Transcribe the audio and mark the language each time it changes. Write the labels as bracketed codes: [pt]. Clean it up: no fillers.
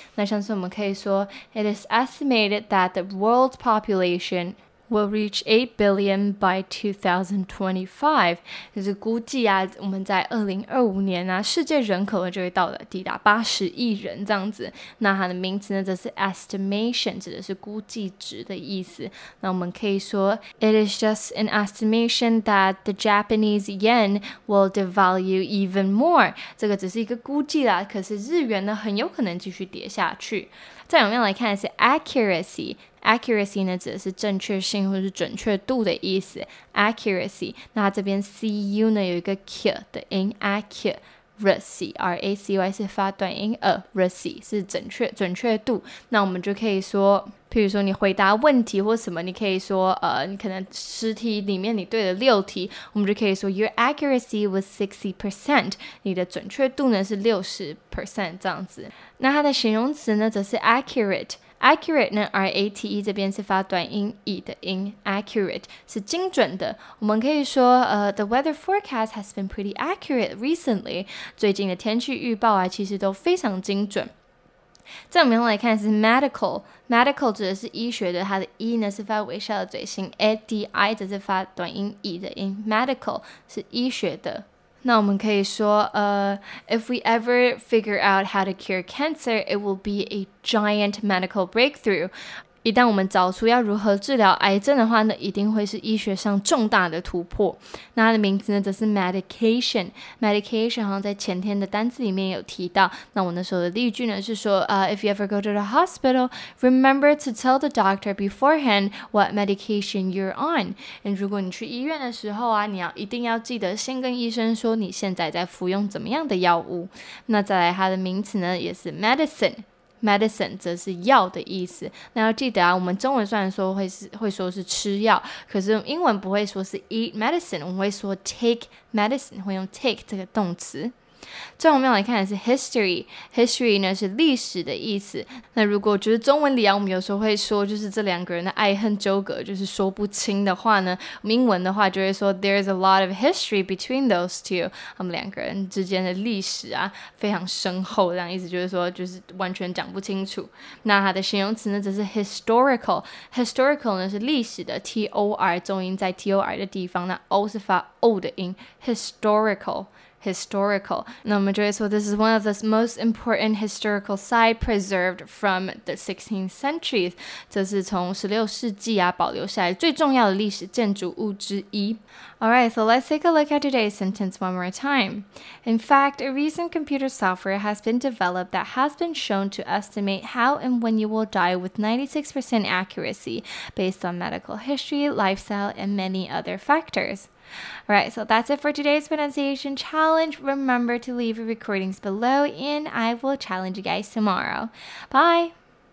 [zh] 那像是我们可以说 [en] It is estimated that the world population will reach 8 billion by 2025. [zh] 就是估计啊，我们在2025年啊，世界人口就会到了抵达80亿人这样子。那它的名词呢，则是 estimation， 指的是估计值的意思。那我们可以说 [en] It is just an estimation that the Japanese yen will devalue even more. [zh] 这个只是一个估计啦，可是日元呢，很有可能继续跌下去。再我们来看的是 accuracy。Accuracy 呢，指的是正确性或是准确度的意思。 Accuracy， 那它这边 cu 呢有一个 q 的音 ，accuracy， racy 是发短音 ，racy 是准确度。那我们就可以说，譬如说你回答问题或什么，你可以说，你可能十题里面你对了六题，我们就可以说 [en] your accuracy was 60%， [zh] 你的准确度呢是 60% 这样子。那它的形容词呢，则是 accurate。Accurate 呢 ，R-A-T-E 这边是发短音 e 的音 ，accurate 是精准的。我们可以说， [en] the weather forecast has been pretty accurate recently。 [zh] 最近的天气预报啊，其实都非常精准。再我们来看是 medical 指的是医学的，它的 e 呢是发微笑的嘴型 ，a-d-i 则是发短音 e 的音 ，medical 是医学的。那我们可以说 [en] if we ever figure out how to cure cancer, it will be a giant medical breakthrough. [zh] 一旦我们找出要如何治疗癌症的话呢，一定会是医学上重大的突破。那它的名字呢，则是 medication。medication 好像在前天的单字里面有提到。那我那时候的例句呢，是说 [en] if you ever go to the hospital, remember to tell the doctor beforehand what medication you're on. [zh] 如果你去医院的时候啊，你要一定要记得先跟医生说你现在在服用怎么样的药物。那再来它的名词呢，也是 medicine。Medicine 则是药的意思。那要记得啊，我们中文虽然说会说是吃药，可是英文不会说是 [en] eat medicine， [zh] 我们会说 [en] take medicine， [zh] 会用 take 这个动词。最后面来看的是 history， history 呢是历史的意思。那如果就是中文里啊，我们有时候会说就是这两个人的爱恨纠葛就是说不清的话呢，英文的话就会说 [en] there is a lot of history between those two， [zh] 他们两个人之间的历史啊非常深厚，这样意思就是说就是完全讲不清楚。那它的形容词呢则是 historical， historical 呢是历史的 ，tor 重音在 tor 的地方，那 o 是发 o 的音 ，historical。Historical. 那我们就会说 [en] this is one of the most important historical site preserved from the 16th century. [zh] 这是从16世纪啊保留下来最重要的历史建筑物之一。 [en] Alright, so let's take a look at today's sentence one more time. In fact, a recent computer software has been developed that has been shown to estimate how and when you will die with 96% accuracy based on medical history, lifestyle, and many other factors. Alright, so that's it for today's pronunciation challenge. Remember to leave your recordings below, and I will challenge you guys tomorrow. Bye!